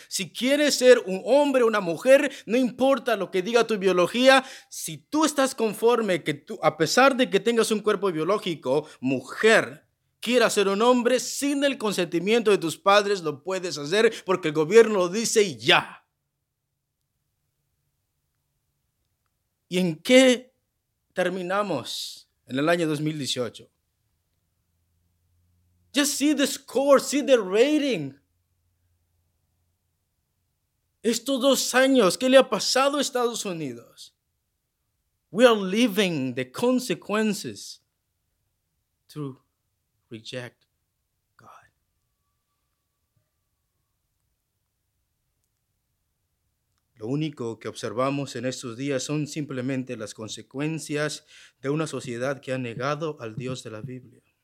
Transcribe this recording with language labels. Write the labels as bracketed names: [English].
[Spanish] Si quieres ser un hombre o una mujer, no importa lo que diga tu biología, si tú estás conforme que tú, a pesar de que tengas un cuerpo biológico, mujer, quieras ser un hombre sin el consentimiento de tus padres, lo puedes hacer porque el gobierno lo dice y ya. ¿Y en qué terminamos en el año 2018? [English] Just see the score, see the rating. [Spanish] Estos dos años, ¿qué le ha pasado a Estados Unidos? [English] We are living the consequences to reject God. [Spanish] Lo único que observamos en estos días son simplemente las consecuencias de una sociedad que ha negado al Dios de la Biblia.